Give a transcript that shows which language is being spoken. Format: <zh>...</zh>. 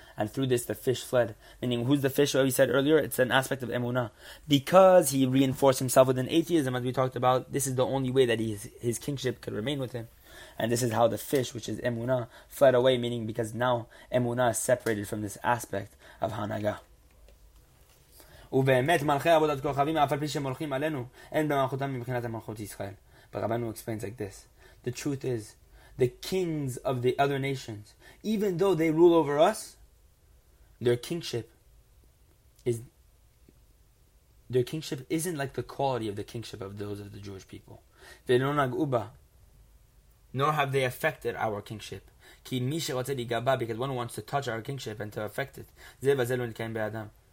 <en>And through this, the fish fled. Meaning, who's the fish? What we said earlier, it's an aspect of emunah. Because he reinforced himself with an atheism, as we talked about, this is the only way that his kingship could remain with him. And this is how the fish, which is emunah, fled away. Meaning, because now emunah is separated from this aspect of hanaga.</en> <he>ובאמת מלכי עבודת כוכבים אף על פי שהם הולכים עלינו אין במלכותם מבחינת המלכות ישראל.</he> <en>But Rabbanu explains like this. The truth is, the kings of the other nations, even though they rule over us, their kingship isn't like the quality of the kingship of those of the Jewish people.</en> <he>ולא נגעו בה,</he> <en>nor have they affected our kingship.</en> <he>כי מי שרוצה להיגבע,</he> <en>because one wants to touch our kingship and to affect it,</en> <he>זה וזה לא נתקיים באדם.</he>